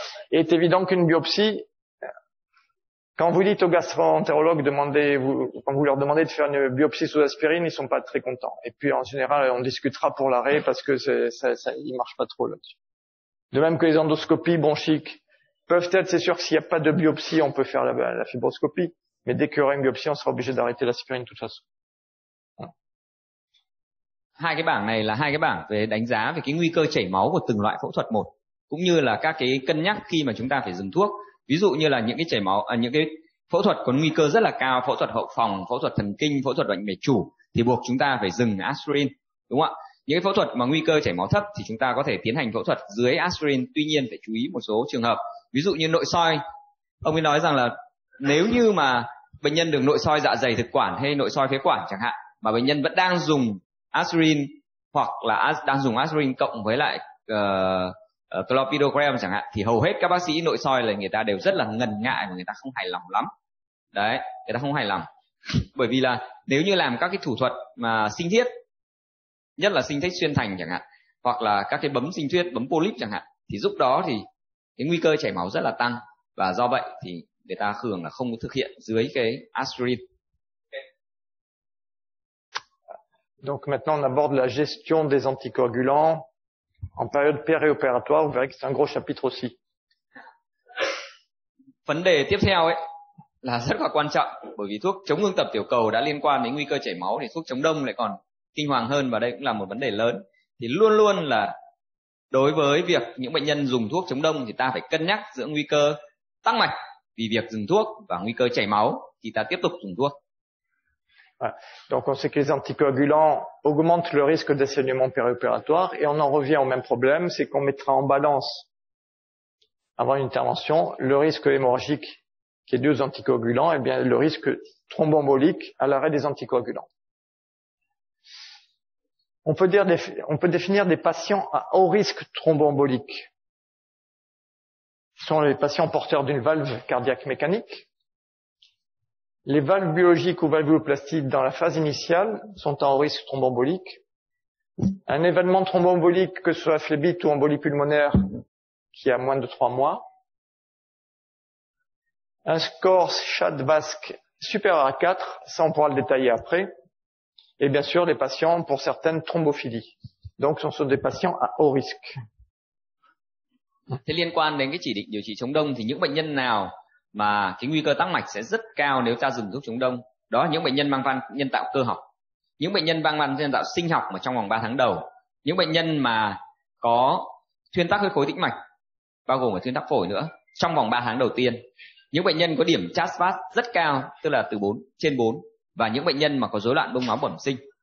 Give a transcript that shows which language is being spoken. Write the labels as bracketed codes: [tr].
[fr] Et c'est évident qu'une biopsie, quand vous dites aux gastro-entérologues, quand vous leur demandez de faire une biopsie sous aspirine, ils sont pas très contents. Et puis en général, on discutera pour l'arrêt parce que ça il marche pas trop là-dessus. De même que les endoscopies bronchiques peuvent être, c'est sûr que s'il n'y a pas de biopsie, on peut faire la fibroscopie. Mais dès qu'il y aura une biopsie, on sera obligé d'arrêter l'aspirine de toute façon. [vi] Hai cái bảng này là hai cái bảng về đánh giá về cái nguy cơ chảy máu của từng loại phẫu thuật một, cũng như là các cái cân nhắc khi mà chúng ta phải dừng thuốc. Ví dụ như là những cái chảy máu, những cái phẫu thuật có nguy cơ rất là cao, phẫu thuật hậu phòng, phẫu thuật thần kinh, phẫu thuật bệnh mạch chủ thì buộc chúng ta phải dừng aspirin, đúng không ạ? Những cái phẫu thuật mà nguy cơ chảy máu thấp thì chúng ta có thể tiến hành phẫu thuật dưới aspirin, tuy nhiên phải chú ý một số trường hợp. Ví dụ như nội soi, ông ấy nói rằng là nếu như mà bệnh nhân được nội soi dạ dày thực quản hay nội soi phế quản chẳng hạn, mà bệnh nhân vẫn đang dùng aspirin hoặc là đang dùng aspirin cộng với lại clopidogrel chẳng hạn, thì hầu hết các bác sĩ nội soi là người ta đều rất là ngần ngại và người ta không hài lòng lắm. Đấy, người ta không hài lòng. Bởi vì là nếu như làm các cái thủ thuật mà sinh thiết, nhất là sinh thiết xuyên thành chẳng hạn, hoặc là các cái bấm sinh thiết, bấm polyp chẳng hạn, thì lúc đó thì cái nguy cơ chảy máu rất là tăng, và do vậy thì người ta thường là không thực hiện dưới cái aspirin. [fr] Donc maintenant on aborde la gestion des anticoagulants en période péri-opératoire. Vous verrez que c'est un gros chapitre aussi. [vi] Vấn đề tiếp theo ấy là rất là quan trọng, bởi vì thuốc chống ngưng tập tiểu cầu đã liên quan đến nguy cơ chảy máu thì thuốc chống đông lại còn kinh hoàng hơn, và đây cũng là một vấn đề lớn. Thì luôn luôn là đối với việc những bệnh nhân dùng thuốc chống đông thì ta phải cân nhắc giữa nguy cơ tắc mạch vì việc dừng thuốc và nguy cơ chảy máu thì ta tiếp tục dùng thuốc. [fr] Donc on sait que les anticoagulants augmentent le risque de saignement périopératoire, et on en revient au même problème, c'est qu'on mettra en balance avant une intervention le risque hémorragique qui est dû aux anticoagulants et bien le risque thrombombolique à l'arrêt des anticoagulants. On peut définir des patients à haut risque thrombombolique. Ce sont les patients porteurs d'une valve cardiaque mécanique. Les valves biologiques ou valvuloplasties dans la phase initiale sont en risque thrombombolique. Un événement thrombombolique, que ce soit phlébite ou embolie pulmonaire, qui a moins de 3 mois. Un score CHAD-VASC supérieur à 4, ça on pourra le détailler après. Et bien sûr, les patients pour certaines thrombophilies. Donc ce sont des patients à haut risque. [vi] Thế liên quan đến cái chỉ định điều trị chống đông thì những bệnh nhân nào mà cái nguy cơ tắc mạch sẽ rất cao nếu ta dùng thuốc chống đông? Đó là những bệnh nhân mang van nhân tạo cơ học, những bệnh nhân mang van nhân tạo sinh học mà trong vòng 3 tháng đầu, những bệnh nhân mà có thuyên tắc huyết khối tĩnh mạch, bao gồm cả thuyên tắc phổi nữa, trong vòng 3 tháng đầu tiên, những bệnh nhân có điểm CHAD-VASC rất cao, tức là từ 4 trên 4, và những bệnh nhân mà có rối loạn đông máu bẩm sinh.